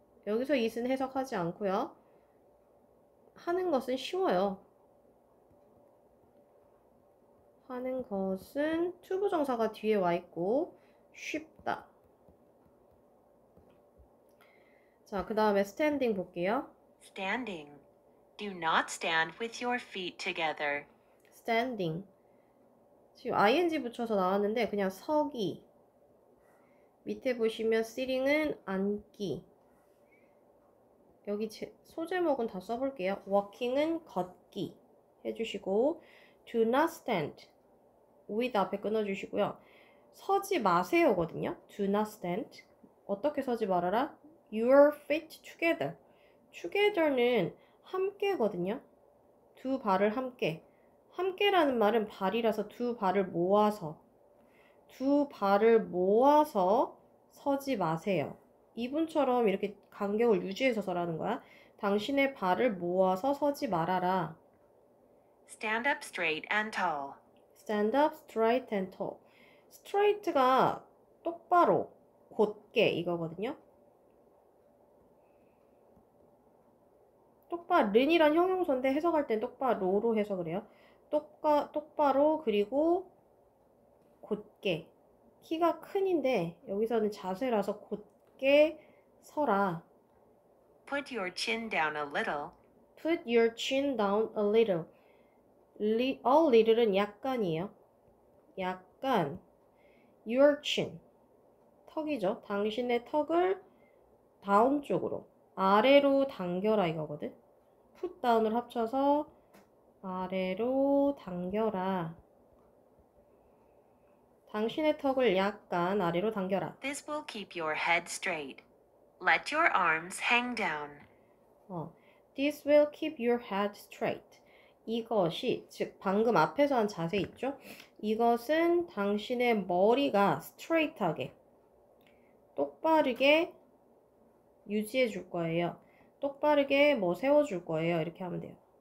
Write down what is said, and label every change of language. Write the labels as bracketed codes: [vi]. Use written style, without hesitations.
[ko] 여기서 is는 해석하지 않고요. 하는 것은 쉬워요. 하는 것은 to 부정사가 뒤에 와 있고 쉽다. 자, 그 다음에 standing 볼게요. [en] Standing. Do not stand with your feet together. standing. [ko] 지금 ing 붙여서 나왔는데 그냥 서기. 밑에 보시면 sitting은 앉기. 여기 소제목은 다 써볼게요. walking은 걷기 해주시고 [en] do not stand. [ko] with 앞에 끊어주시고요. 서지 마세요거든요. [en] Do not stand. [ko] 어떻게 서지 말아라? [en] Your feet together. [ko] Together는 함께거든요. 두 발을 함께. 함께라는 말은 발이라서 두 발을 모아서. 두 발을 모아서 서지 마세요. 이분처럼 이렇게 간격을 유지해서 서라는 거야. 당신의 발을 모아서 서지 말아라. [en] Stand up straight and tall. Stand up straight and tall. [ko] Straight가 똑바로, 곧게 이거거든요. 똑바른이란 형용사인데 해석할 땐 똑바로로 해석을 해요. 똑바로 그리고 곧게. 키가 큰인데 여기서는 자세라서 곧게 서라. [en] Put your chin down a little. Put your chin down a little. A little은 [ko] 약간이에요. 약간 [en] your chin [ko] 턱이죠. 당신의 턱을 다운 쪽으로, 아래로 당겨라 이거거든. 풋 다운을 합쳐서 아래로 당겨라. 당신의 턱을 약간 아래로 당겨라. [en] This will keep your head straight. Let your arms hang down. This will keep your head straight. [ko] 이것이, 즉 방금 앞에서 한 자세 있죠? 이것은 당신의 머리가 스트레이트하게, 똑바르게 유지해 줄 거예요. 똑바르게 뭐 세워 줄 거예요. 이렇게 하면 돼요.